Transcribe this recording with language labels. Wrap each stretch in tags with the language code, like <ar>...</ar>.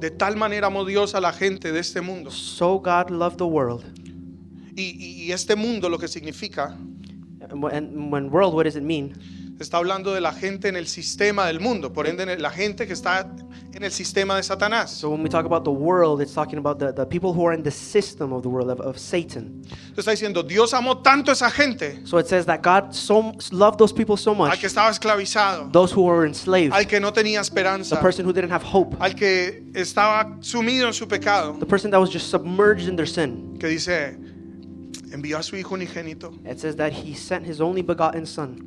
<es>De tal manera amó Dios a la gente de este mundo.</es> <en>So God loved the world.</en> <es>Y este mundo lo que significa,</es> <en>when world, what does it mean?</en> <es>Está hablando de la gente en el sistema del mundo, por ende la gente que está en el sistema de Satanás.</es> <en>So when we talk about the world, it's talking about the people who are in the system of the world of Satan.</en> <es>Entonces está diciendo, Dios amó tanto esa gente.</es> <en>So it says that God so loved those people so much.</en> <es>Al que estaba esclavizado.</es> <en>Those who were enslaved.</en> <es>Al que no tenía esperanza.</es> <en>The person who didn't have hope.</en> <es>Al que estaba sumido en su pecado.</es> <en>The person that was just submerged in their sin.</en> <es>Que dice, envió a su hijo unigénito.</es> <en>It says that he sent his only begotten son.</en>